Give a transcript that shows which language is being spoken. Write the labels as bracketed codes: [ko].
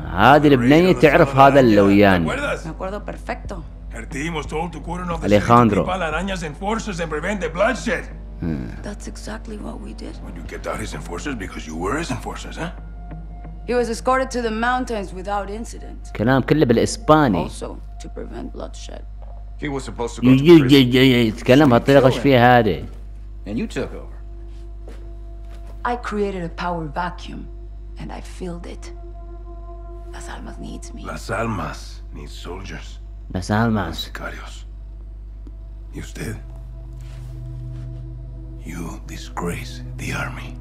[ar] هذه البنية تعرف هذا اللي ويانا. [es] Me acuerdo perfecto. [en] Her team was told to cordon off the city, keep all arañas and enforcers and prevent the bloodshed. That's exactly what we did. When you kept out his enforcers because you were his enforcers, huh? He was escorted to the mountains without incident. [ar] كلام كله بالإسباني. [en] Also to prevent bloodshed. He was supposed to go to prison. [ar] يتكلم هالطريقة إيش فيها هذه. [en] And you took over. I created a power vacuum and I filled it. Las Almas needs me. Las Almas needs soldiers. Las Almas. [es] Sicarios. ¿Y usted? [en] You disgrace the army.